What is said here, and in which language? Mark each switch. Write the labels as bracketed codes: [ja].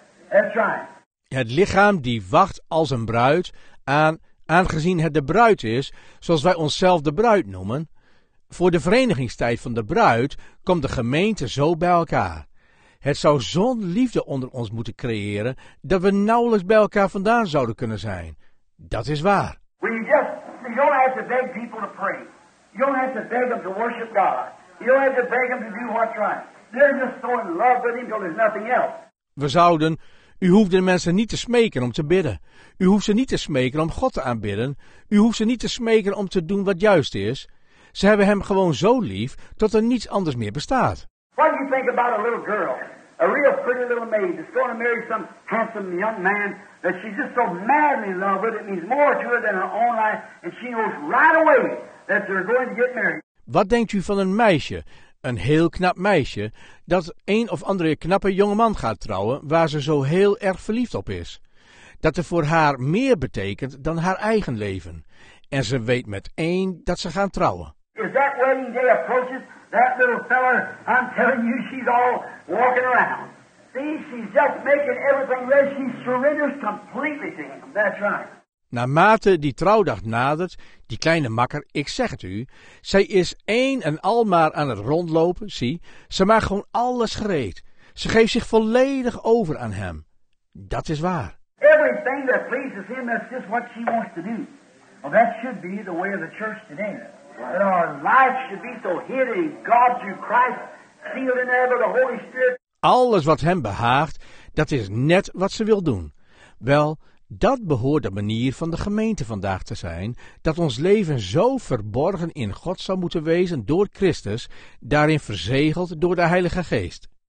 [en] That's right. [nl] Het lichaam die wacht als een bruid, aangezien het de bruid is, zoals wij onszelf de bruid noemen. Voor de verenigingstijd van de bruid komt de gemeente zo bij elkaar. Het zou zo'n liefde onder ons moeten creëren, dat we nauwelijks bij elkaar vandaan zouden kunnen zijn. Dat is waar. [en] You don't have to beg people to pray. You don't have to beg them to worship God. You don't have to beg them to do what's right. They're just so in love with him because there's nothing else. [nl] We zouden... U hoeft de mensen niet te smeken om te bidden. U hoeft ze niet te smeken om God te aanbidden. U hoeft ze niet te smeken om te doen wat juist is. Ze hebben hem gewoon zo lief dat er niets anders meer bestaat. [en] What do you think about a little girl? A real pretty little maid that's going to marry some handsome young man that she's just so madly in love with. It means more to her than her own life. And she knows right away that they're going to get married. [nl] Wat denkt u van een meisje... Een heel knap meisje dat een of andere knappe jongeman gaat trouwen waar ze zo heel erg verliefd op is. Dat er voor haar meer betekent dan haar eigen leven. En ze weet met één dat ze gaan trouwen. [en] Is that wedding day approaches, that little fella, I'm telling you, she's all walking around. See, she's just making everything ready, she surrenders completely to him, that's right. [nl] Naarmate die trouwdag nadert, die kleine makker, ik zeg het u, zij is een en al maar aan het rondlopen, zie, ze maakt gewoon alles gereed. Ze geeft zich volledig over aan hem. Dat is waar. [en] Everything that pleases him, that's just what she wants to do. Well, that should be the way of the church today. That our life should be so hidden in God through Christ, sealed in ever the Holy Spirit. [nl] Alles wat hem behaagt, dat is net wat ze wil doen. Wel... Dat behoort de manier van de gemeente vandaag te zijn, dat ons leven zo verborgen in God zou moeten wezen door Christus, daarin verzegeld door de Heilige Geest.